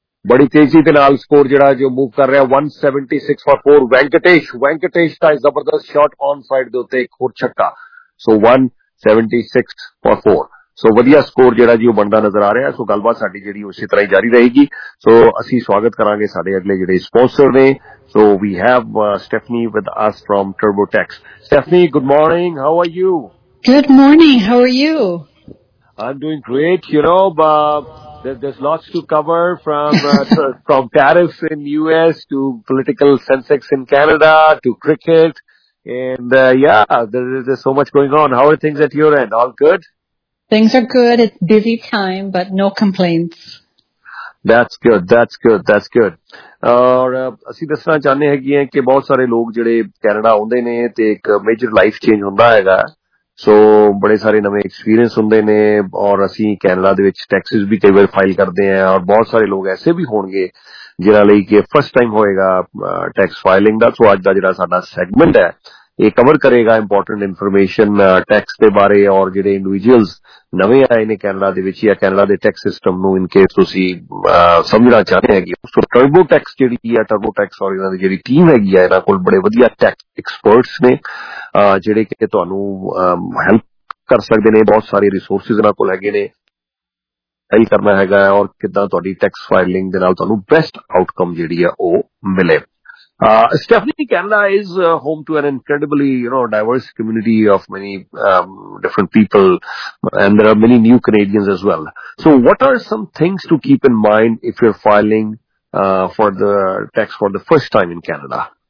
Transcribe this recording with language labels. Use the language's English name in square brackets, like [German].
[Punjabi] ਬੜੀ ਤੇਜ਼ੀ ਦੇ ਨਾਲ ਸਕੋਰ ਜਿਹੜਾ ਜੋ ਮੂਵ ਕਰ ਰਿਹਾ 176/4 ਵੈਂਕਟੇਸ਼ ਦਾ ਜ਼ਬਰਦਸਤ ਸ਼ਾਟ ਔਨ ਸਾਈਡ ਦੇ ਉੱਤੇ ਇੱਕ ਹੋਰ ਛੱਕਾ, ਸੋ 176/4 ਸੋ ਵਧੀਆ ਸਕੋਰ ਜਿਹੜਾ ਜੀ ਉਹ ਬਣਦਾ ਨਜ਼ਰ ਆ ਰਿਹਾ। ਸੋ ਗੱਲਬਾਤ ਸਾਡੀ ਜਿਹੜੀ ਉਸੇ ਤਰ੍ਹਾਂ ਹੀ ਜਾਰੀ ਰਹੇਗੀ। ਸੋ ਅਸੀਂ ਸਵਾਗਤ ਕਰਾਂਗੇ ਸਾਡੇ ਅਗਲੇ ਜਿਹੜੇ ਸਪੋਂਸਰ ਨੇ, ਸੋ [English] We have Stephanie with us from TurboTax. Stephanie good morning, how are you? Good morning, how are you? I am doing great, you know there's lots to cover from tariffs in US to political Sensex in Canada to cricket and there's so much going on. How are things at your end? All good? Things are good. It's busy time but no complaints. That's good. [Punjabi] ਔਰ ਅਸੀਂ ਦੱਸਣਾ ਚਾਹੁੰਦੇ ਹੈਗੇ ਕਿ ਬਹੁਤ ਸਾਰੇ ਲੋਕ ਜਿਹੜੇ ਕੈਨੇਡਾ ਆਉਂਦੇ ਨੇ ਤੇ ਇੱਕ ਮੇਜਰ ਲਾਈਫ ਚੇਂਜ ਹੁੰਦਾ ਹੈਗਾ, ਸੋ ਬੜੇ ਸਾਰੇ ਨਵੇਂ ਐਕਸਪੀਰੀਅੰਸ ਹੁੰਦੇ ਨੇ। ਔਰ ਅਸੀਂ ਕੈਨੇਡਾ ਦੇ ਵਿੱਚ ਟੈਕਸਿਸ ਵੀ ਕਈ ਵਾਰ ਫਾਈਲ ਕਰਦੇ ਹਾਂ, ਔਰ ਬਹੁਤ ਸਾਰੇ ਲੋਕ ਐਸੇ ਵੀ ਹੋਣਗੇ ਜਿਨ੍ਹਾਂ ਲਈ ਕਿ ਫਸਟ ਟਾਈਮ ਹੋਏਗਾ ਟੈਕਸ ਫਾਈਲਿੰਗ ਦਾ। ਸੋ ਅੱਜ ਦਾ ਜਿਹੜਾ ਸਾਡਾ ਸੈਗਮੈਂਟ ਹੈ ਇਹ ਕਵਰ ਕਰੇਗਾ ਇੰਪੋਰਟੈਂਟ ਇਨਫੋਰਮੇਸ਼ਨ ਟੈਕਸ ਦੇ ਬਾਰੇ, ਔਰ ਜਿਹੜੇ ਇੰਡੀਵਿਜੁਅਲਸ ਨਵੇਂ ਆਏ ਨੇ ਕੈਨੇਡਾ ਦੇ ਵਿੱਚ ਜਾਂ ਕੈਨੇਡਾ ਦੇ ਟੈਕਸ ਸਿਸਟਮ ਨੂੰ ਇਨਕੇਸ ਤੁਸੀਂ ਸਮਝਣਾ ਚਾਹੁੰਦੇ ਹੈਗੇ, ਸੋ ਟਰਬੋ ਟੈਕਸ ਜਿਹੜੀ ਆ, ਟਰਬੋ ਟੈਕਸ ਔਰ ਇਹਨਾਂ ਦੀ ਜਿਹੜੀ ਟੀਮ ਹੈਗੀ ਆ, ਇਹਨਾਂ ਕੋਲ ਬੜੇ ਵਧੀਆ ਟੈਕਸ ਐਕਸਪਰਟਸ ਨੇ ਜਿਹੜੇ ਕਿ ਤੁਹਾਨੂੰ ਹੈਲਪ ਕਰ ਸਕਦੇ ਨੇ। ਬਹੁਤ ਸਾਰੇ ਰਿਸੋਰਸਿਸ ਇਹਨਾਂ ਕੋਲ ਹੈਗੇ ਨੇ, ਫਾਈਲ ਕਰਨਾ ਹੈਗਾ ਔਰ ਕਿੱਦਾਂ ਤੁਹਾਡੀ ਟੈਕਸ ਫਾਈਲਿੰਗ ਦੇ ਨਾਲ ਤੁਹਾਨੂੰ ਬੈਸਟ ਆਊਟਕਮ ਜਿਹੜੀ ਆ ਉਹ ਮਿਲੇ। [English] Stephanie, Canada is home to an incredibly diverse community of many different people, and there are many new Canadians as well. So what are some things to keep in mind if you're filing for the tax for the first time in Canada?